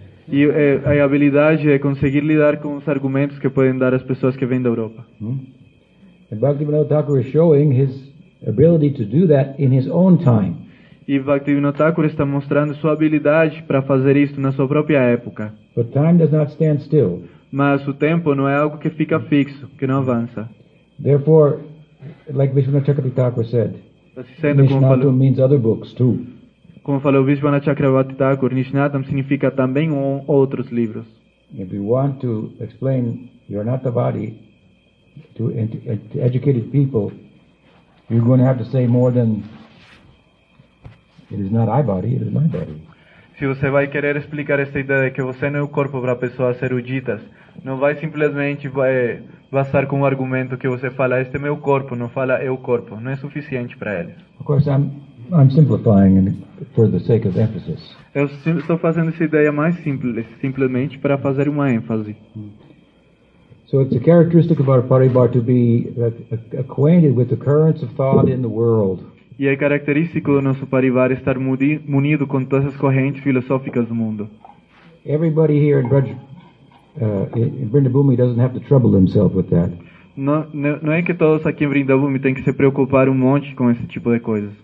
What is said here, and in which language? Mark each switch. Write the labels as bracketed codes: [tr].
[pt] E a habilidade é conseguir lidar com os argumentos que podem dar as pessoas que vêm da Europa. [en] And Bhaktivinoda Thakur is showing his ability to do that in his own time. [pt] E Bhaktivinoda Thakur está mostrando sua habilidade para fazer isso na sua própria época. [en] But time does not stand still. [pt] Mas o tempo não é algo que fica fixo, que não avança. [en] Therefore, like Vishwanatha Chakravarti Thakur said, Nishnatam means other books too. [pt] Como falou Vishwana Chakravarti Thakur, Nishnatam significa também outros livros. [en] If you want to explain Yajnavalkya to educated people, you're going to have to say more than it is not I body, it is my body. [pt] Se você vai querer explicar esta ideia de que você não é o corpo para pessoas eruditas, não vai simplesmente basar com o argumento que você fala este é meu corpo, não fala eu corpo, não é suficiente para eles. [en] Of course, I'm simplifying for the sake of emphasis. [pt] Eu estou fazendo essa ideia mais simples, simplesmente para fazer uma ênfase. [en] So it's a characteristic of our Parivar to be acquainted with the currents of thought in the world. [pt] E é característico do nosso Parivar estar munido com todas as correntes filosóficas do mundo. [en] Everybody here in Vrindabhumi doesn't have to trouble himself with that. [pt] Não é que todos aqui em Vrindavan tem que se preocupar um monte com esse tipo de coisas.